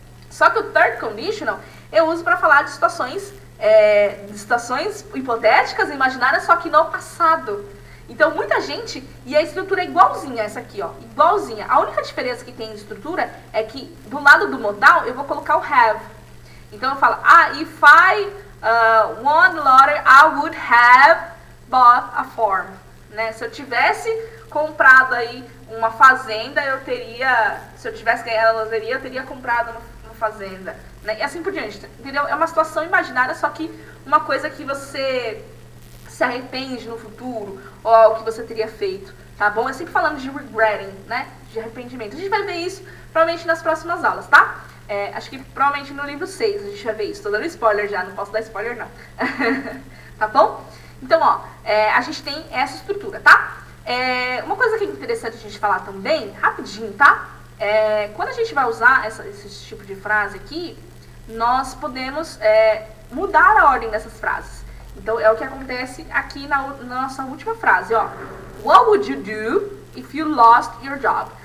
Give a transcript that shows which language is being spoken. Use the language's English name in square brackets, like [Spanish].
[Portuguese] Só que o third conditional eu uso para falar de situações hipotéticas e imaginárias, só que no passado. Então, muita gente, e a estrutura é igualzinha essa aqui, ó, igualzinha. A única diferença que tem de estrutura é que do lado do modal eu vou colocar o have. Então, eu falo, ah, [English] if I won the lottery, I would have bought a farm. [Portuguese] Né? Se eu tivesse comprado aí uma fazenda, eu teria, se eu tivesse ganhado a loteria, eu teria comprado uma fazenda. Né? E assim por diante, entendeu? É uma situação imaginária, só que uma coisa que você se arrepende no futuro ou ao que você teria feito, tá bom? Eu sempre falando de regretting, né? De arrependimento. A gente vai ver isso provavelmente nas próximas aulas, tá? É, acho que provavelmente no livro 6 a gente vai ver isso. Tô dando spoiler já, não posso dar spoiler não. Tá bom? Então, ó, a gente tem essa estrutura, tá? É, uma coisa que é interessante a gente falar também, rapidinho, tá? É, quando a gente vai usar esse tipo de frase aqui, nós podemos mudar a ordem dessas frases. Então, é o que acontece aqui na nossa última frase, ó. [English] What would you do if you lost your job?